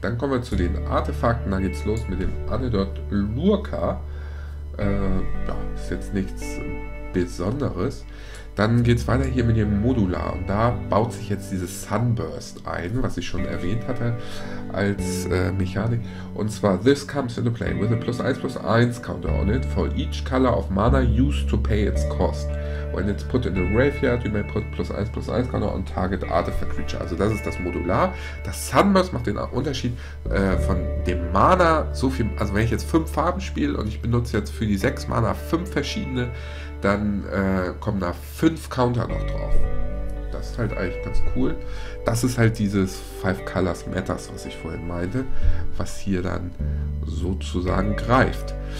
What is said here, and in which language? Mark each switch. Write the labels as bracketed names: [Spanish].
[German] Dann kommen wir zu den Artefakten. Da geht's los mit dem Anedot Lurka. Ja, ist jetzt nichts Besonderes. Dann geht's weiter hier mit dem Modular. Und da baut sich jetzt dieses Sunburst ein, was ich schon erwähnt hatte als Mechanik. Und zwar, [English] this comes into play with a +1/+1 counter on it. For each color of mana used to pay its cost. When it's put in a graveyard, you may put +1/+1 counter on target artifact creature. [German] Also das ist das Modular. Das Sunburst macht den Unterschied von dem Mana so viel. Also wenn ich jetzt 5 Farben spiele und ich benutze jetzt für die 6 Mana 5 verschiedene, dann kommen da 5 Counter noch drauf. Das ist halt eigentlich ganz cool. Das ist halt dieses 5 Colors Matters, was ich vorhin meinte, was hier dann sozusagen greift.